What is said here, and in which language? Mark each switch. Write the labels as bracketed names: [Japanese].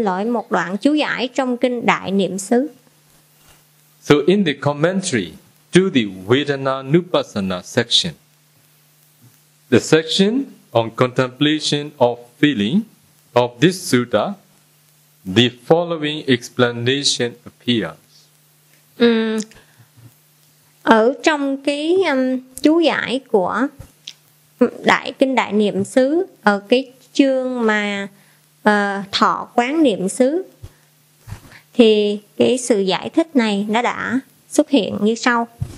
[Vietnamese] Một đoạn chú giải trong kinh Đại Niệm Xứ. [English] So in the commentary to the Vedananupassana section, the section on contemplation of feeling of this sutta, the following explanation appears. [Vietnamese] Ở trong cái chú giải của Đại Kinh Đại Niệm Xứ, ở cái chương mà Thọ Quán Niệm Xứ, thì cái sự giải thích này nó đã xuất hiện như sau.